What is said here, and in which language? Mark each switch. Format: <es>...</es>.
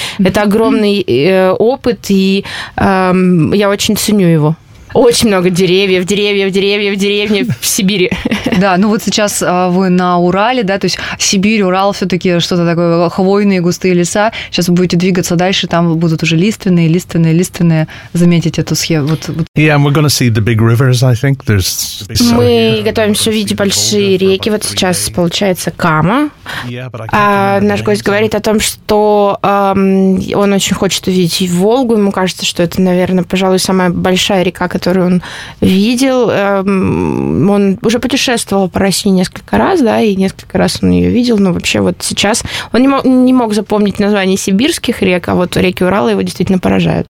<ru>Это огромный опыт, и я очень ценю его. Очень много деревьев, деревни в Сибири. Да, ну вот сейчас вы на Урале, да, то есть Сибирь, Урал, все-таки что-то такое, хвойные густые леса. Сейчас вы будете двигаться дальше, там будут уже лиственные. Заметить эту схему.</ru> <en>Yeah, we're gonna see the big rivers, I think. There's...</en> <ru>Мы готовимся увидеть большие реки. Вот сейчас получается Кама. Наш гость говорит о том, что он очень хочет увидеть Волгу. Ему кажется, что это, наверное, пожалуй, самая большая река, который он видел. Он уже путешествовал по России несколько раз, да, и несколько раз он ее видел, но вообще вот сейчас он не мог запомнить название сибирских рек, а вот реки Урала его действительно поражают.</ru>